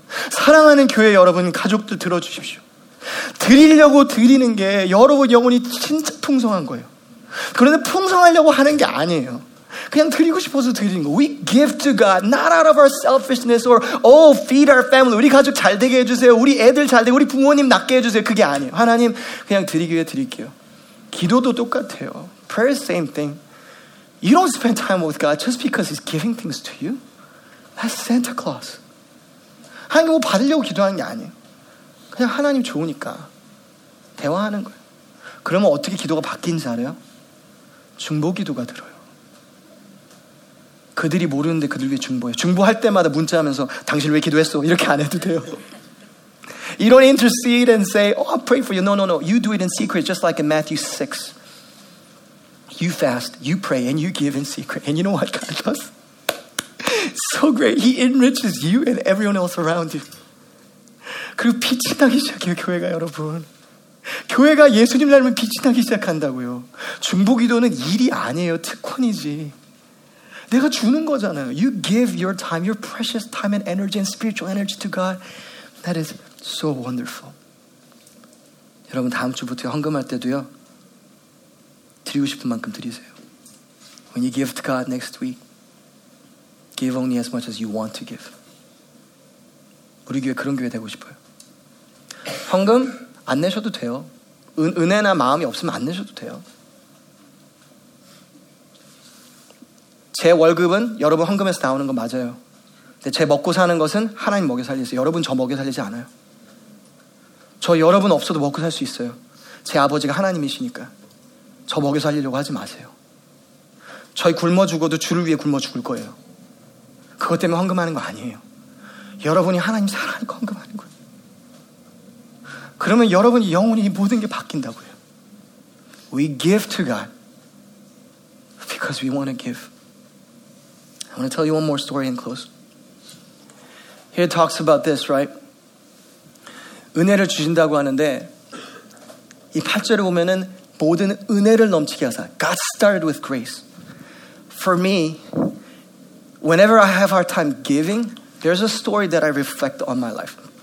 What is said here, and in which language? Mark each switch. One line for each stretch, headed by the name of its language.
Korean: 사랑하는 교회 여러분, 가족들 들어주십시오. 드리려고 드리는 게 여러분 영혼이 진짜 풍성한 거예요. 그런데 풍성하려고 하는 게 아니에요. 그냥 드리고 싶어서 드리는 거.
English: We give to God, not out of our selfishness or, oh, feed our family.
Korean: 우리 가족 잘 되게 해주세요. 우리 애들 잘 되게, 우리 부모님 낫게 해주세요. 그게 아니에요. 하나님, 그냥 드리기 위해 드릴게요. 기도도 똑같아요.
English: Prayer is the same thing. You don't spend time with God just because he's giving things to you. That's Santa Claus.
Korean: 하나님 뭐 받으려고 기도하는 게 아니에요. 그냥 하나님 좋으니까 대화하는 거예요. 그러면 어떻게 기도가 바뀐지 알아요? 중보 기도가 들어요. 그들이 모르는데 그들 위해 중보해요. 중보할 때마다 문자하면서 당신 왜 기도했어? 이렇게 안 해도 돼요.
English: You don't intercede and say, oh, I pray for you. No. You do it in secret, just like in Matthew 6. You fast, you pray, and you give in secret. And you know what God does? So great. He enriches you and everyone else around you.
Korean: 그리고 빛이 나기 시작해요, 교회가 여러분. 교회가 예수님 닮으면 빛이 나기 시작한다고요. 중보 기도는 일이 아니에요, 특권이지. 내가 주는 거잖아요.
English: You give your time, your precious time and energy and spiritual energy to God. That is so wonderful.
Korean: 여러분, 다음 주부터 헌금할 때도요. 드리고 싶은 만큼 드리세요.
English: When you give to God next week, give only as much as you want to give.
Korean: 우리 교회 그런 교회 되고 싶어요. 헌금 안 내셔도 돼요. 은혜나 마음이 없으면 안 내셔도 돼요. 제 월급은 여러분 헌금에서 나오는 건 맞아요. 근데 제 먹고 사는 것은 하나님 먹여 살리세요. 여러분 저 먹여 살리지 않아요. 저 여러분 없어도 먹고 살 수 있어요. 제 아버지가 하나님이시니까 저 먹여 살리려고 하지 마세요. 저희 굶어 죽어도 주를 위해 굶어 죽을 거예요. 그것 때문에 헌금하는 거 아니에요. 여러분이 하나님 사랑하니까 헌금하는 거예요. 그러면 여러분이 영혼이 모든 게 바뀐다고요.
English: We give to God because we want to give. I want to tell you one more story in close. Here it talks about this, right?
Korean: 은혜를 주신다고 하는데 이 8절을 보면은 모든 은혜를 넘치게 하사.
English: God started with grace. For me, whenever I have hard time giving, there's a story that I reflect on my life.